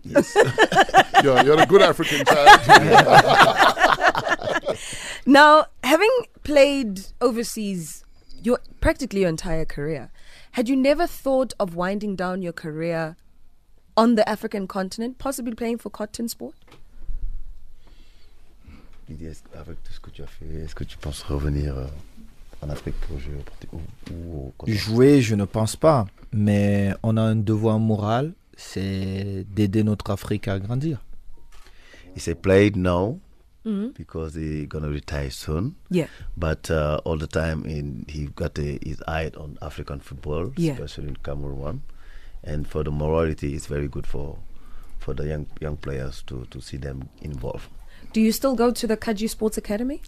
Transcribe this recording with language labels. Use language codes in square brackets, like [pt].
[en] Yes. you're a good African child. Now, having played overseas your practically your entire career. Had you never thought of winding down your career on the African continent, possibly playing for Cotton Sport? [fr] L'idée avec tout ce que tu as fait, est-ce que tu penses revenir en Afrique pour jouer au Cotton? Jouer, je ne pense pas, mais on a un devoir moral, c'est d'aider notre Afrique à grandir. Il s'est [en] played now. Mm-hmm. Because he's gonna retire soon. Yeah. But all the time, he's got his eye on African football, yeah. Especially in Cameroon. And for the morality, it's very good for the young players to see them involved. Do you still go to the Kaji Sports Academy?